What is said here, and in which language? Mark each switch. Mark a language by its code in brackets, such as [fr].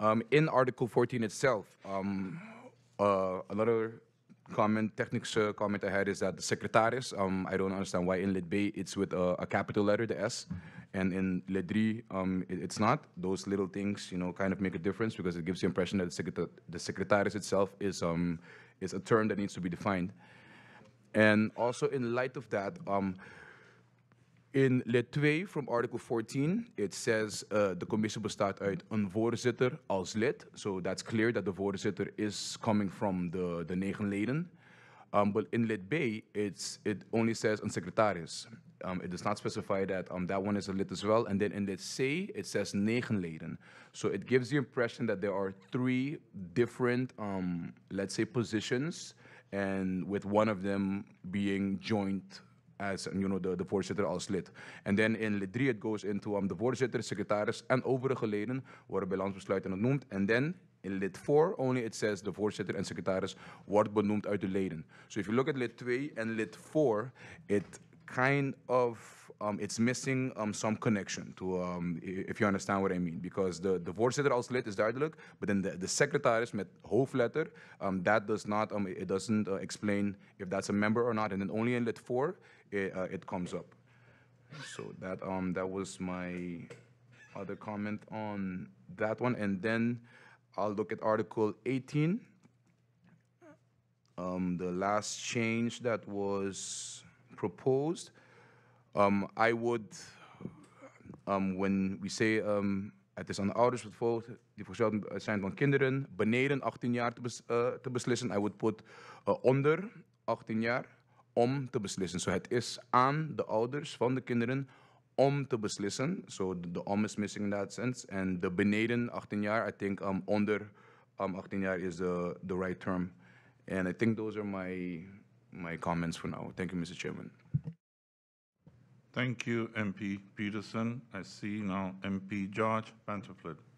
[en] In Article 14 itself, another comment, technical comment I had is that the secretaris, I don't understand why in lit B it's with a capital letter, the S, and in lit 3 it's not. Those little things, you know, kind of make a difference, because it gives the impression that the secretaris itself is a term that needs to be defined. And also in light of that, in lit 2 from Article 14, it says the [nl] commissie bestaat uit een voorzitter als lid. [en] So that's clear that the voorzitter is coming from the [nl] negen leden. [en] But in lit B, it only says een secretaris. It does not specify that that one is a lid as well. And then in lit C, it says [nl] negen leden. [en] So it gives the impression that there are three different, let's say, positions, and with one of them being joint as, you know, the [nl] voorzitter als lid. [en] And then in lit 3, it goes into the [nl] voorzitter, secretaris, en overige leden worden bij landsbesluiten genoemd. [en] And then in lit 4, only it says the [nl] voorzitter en secretaris wordt benoemd uit de leden. [en] So if you look at lit 2 and lit 4, it kind of, it's missing some connection to, if you understand what I mean. Because the [nl] voorzitter als lid is duidelijk, [en] but then the [nl] secretaris met hoofdletter, [en] that does not, it doesn't explain if that's a member or not. And then only in lit 4, it comes up. So that was my other comment on that one. And then I'll look at Article 18. The last change that was proposed. I would, when we say [nl] het is aan de ouders die verzorgd zijn van kinderen beneden 18 jaar te beslissen, [en] I would put [nl] onder 18 jaar. om te beslissen. So het is aan de ouders van de kinderen om te beslissen. [en] So the om is missing in that sense. And the [nl] beneden 18 jaar, [en] I think [nl] onder 18 jaar [en] is the right term. And I think those are my comments for now. Thank you, Mr. Chairman. Thank you, MP Peterson. I see now MP George Pantherflit.